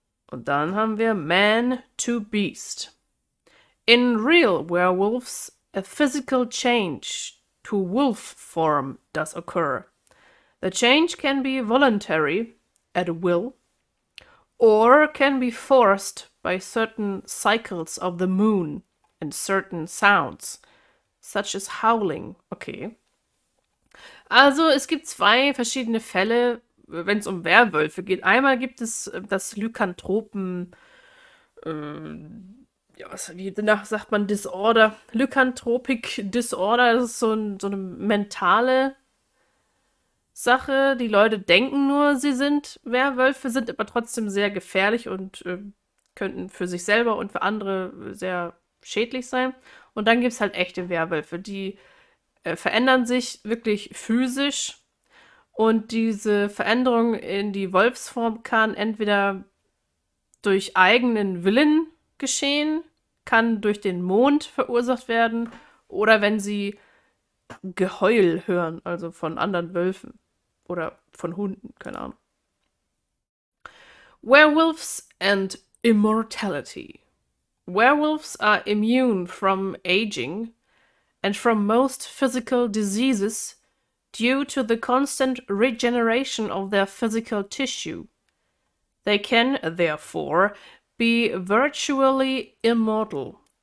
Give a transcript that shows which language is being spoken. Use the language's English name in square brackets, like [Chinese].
[German] Und dann haben wir [English] man to beast. In real werewolves, a physical change to wolf form does occur. The change can be voluntary, at will, or can be forced by certain cycles of the moon and certain sounds, such as howling. Okay. [German] Also es gibt zwei verschiedene Fälle, wenn es um Werwölfe geht. Einmal gibt es das Lykanthropen, ja, was, wie danach sagt man, Disorder, Lykanthropic Disorder, das ist so eine mentale Sache. Die Leute denken nur, sie sind Werwölfe, sind aber trotzdem sehr gefährlich und könnten für sich selber und für andere sehr schädlich sein. Und dann gibt es halt echte Werwölfe, die verändern sich wirklich physisch. Und diese Veränderung in die Wolfsform kann entweder durch eigenen Willen geschehen, kann durch den Mond verursacht werden oder wenn sie Geheul hören, also von anderen Wölfen oder von Hunden, keine Ahnung. [English] Werewolves and Immortality. Werewolves are immune from aging and from most physical diseases due to the constant regeneration of their physical tissue. They can, therefore, be virtually immortal.